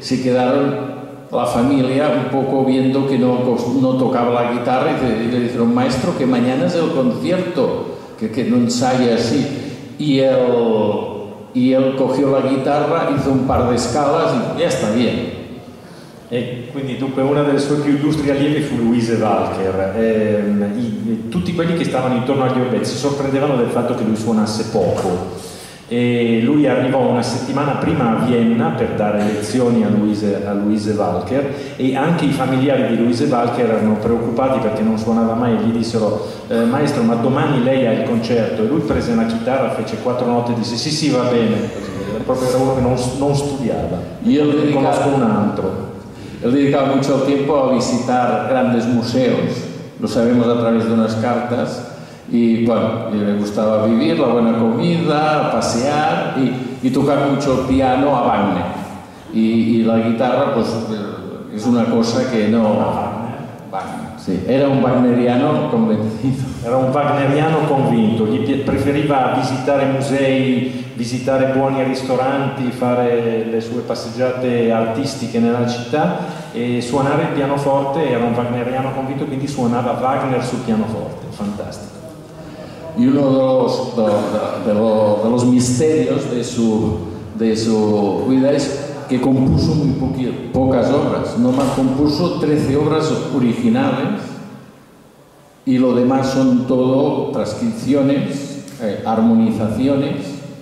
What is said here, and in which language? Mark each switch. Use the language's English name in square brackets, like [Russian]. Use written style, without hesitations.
[Spanish] se quedaron la familia un poco viendo que no tocaba la guitarra y le dijeron, maestro, que mañana es el concierto, que no ensaya así. Y él cogió la guitarra, hizo un par de escalas y ya está bien. [Italian] E quindi dunque una delle sue più illustri allievi fu Louise Walker. Tutti quelli che stavano intorno a Gliobetz si sorprendevano del fatto che lui suonasse poco. E lui arrivò una settimana prima a Vienna per dare lezioni a Louise Walker, e anche i familiari di Louise Walker erano preoccupati perché non suonava mai e gli dissero, maestro, ma domani lei ha il concerto. E lui prese una chitarra, fece quattro note e disse, sì, va bene. Proprio era uno che non studiava. Io ne conosco un altro. [Spanish] Él dedicaba mucho tiempo a visitar grandes museos, lo sabemos a través de unas cartas, y bueno, y le gustaba vivir, la buena comida, pasear y tocar mucho el piano a Wagner. Y la guitarra, pues, es una cosa que no... Wagner. Sí, era un wagneriano convencido. [Italian] Era un wagneriano convinto, gli preferiva visitare musei, visitare buoni ristoranti, fare le sue passeggiate artistiche nella città e suonare il pianoforte, era un wagneriano convinto, quindi suonava Wagner sul pianoforte, fantastico. [Spanish] Y uno de los misterios de su vida es que compuso muy pocas obras, nomás compuso 13 obras originales y lo demás son todo transcripciones, armonizaciones.